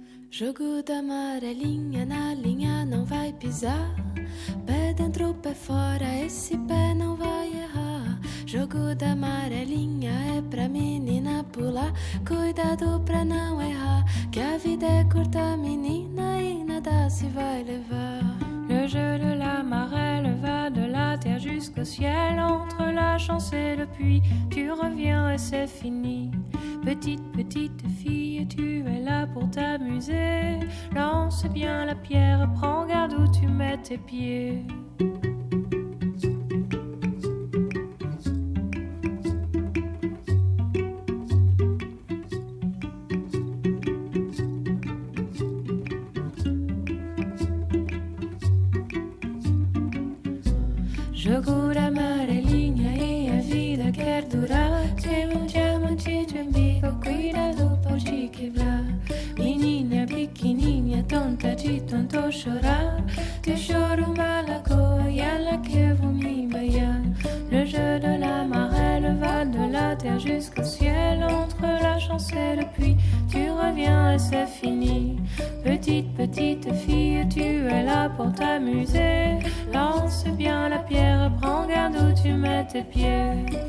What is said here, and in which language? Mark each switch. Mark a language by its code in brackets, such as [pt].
[pt] Jogo da amarelinha na linha não vai pisar. Pé dentro, pé fora, esse pé não vai errar. Jogo da amarelinha é pra menina pular. Cuidado pra não errar, que a vida é curta, menina, e nada se vai levar. [fr] Le jeu de la marelle va de la terre jusqu'au ciel. Entre la chance et le puits, tu reviens et c'est fini. Petite, petite fille, tu es là pour t'amuser. Lance bien la pierre, prends garde où tu mets tes pieds. [pt] Jogo da amarelinha e a vida quer durar. Tem um diamante de um bico, cuidado, pode quebrar. Menina pequenininha, tonta de tanto chorar. Te choro uma lagoa e ela que vou me baiar. [fr] Le jeu de la marelle va de la terre jusqu'au ciel. Entre la chance et le puits, tu reviens et c'est fini. Petite, petite fille, tu es là pour t'amuser. Lance bien la pierre, prends garde où tu mets tes pieds.